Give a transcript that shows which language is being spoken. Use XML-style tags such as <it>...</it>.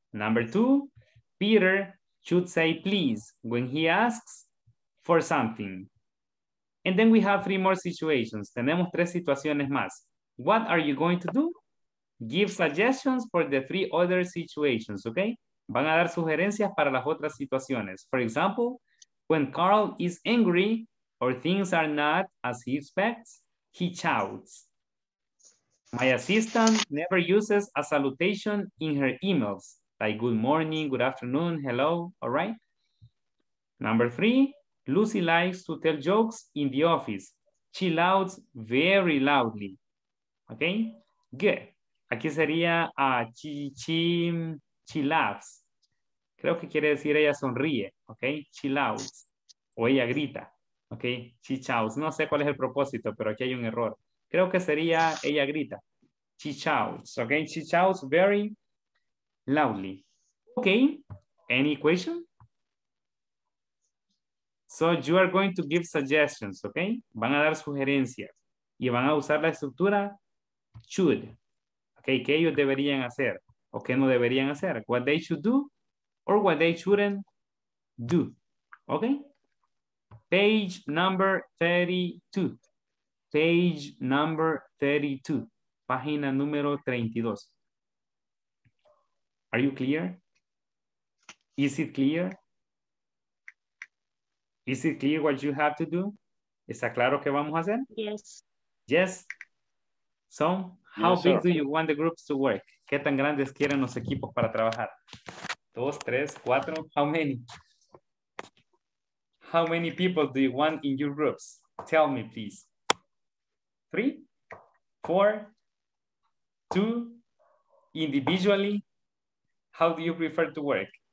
<en>Number two, Peter should say please when he asks for something. And then we have three more situations.</en> <es>Tenemos tres situaciones más.</es> <en>What are you going to do? Give suggestions for the three other situations, okay?</en> <es>Van a dar sugerencias para las otras situaciones.</es> <en>For example, when Carl is angry or things are not as he expects, he shouts. My assistant never uses a salutation in her emails, like good morning, good afternoon, hello, all right? Number three, Lucy likes to tell jokes in the office. She louds very loudly. Okay, good.</en> <es>Aquí sería,</es> <en>she laughs.</en> <es>Creo que quiere decir ella sonríe, okay?</es> <en>She louds,</en> <es>o ella grita, okay?</es> <en>She shouts,</en> <es>no sé cuál es el propósito, pero aquí hay un error. Creo que sería ella grita.</es> <en>She shouts,</en> <es>okay?</es> <en>She shouts very loudly. Okay, any question? So you are going to give suggestions, okay?</en> <es>Van a dar sugerencias y van a usar la estructura should, okay? ¿Qué ellos deberían hacer o qué no deberían hacer?</es> <en>What they should do or what they shouldn't do, okay? Page number 32. Page number 32.</en> <es>Página número 32.</es> <en>Are you clear? Is it clear? Is it clear what you have to do?</en> <es>¿Está claro qué vamos a hacer?</es> <en>Yes. Yes. So, how yes, big sir. Do you want the groups to work?</en> <es>¿Qué tan grandes quieren los equipos para trabajar? Dos, tres, cuatro.</es> <en>How many? How many people do you want in your groups? Tell me, please. Three, four, two, individually. How do you prefer to work?</en>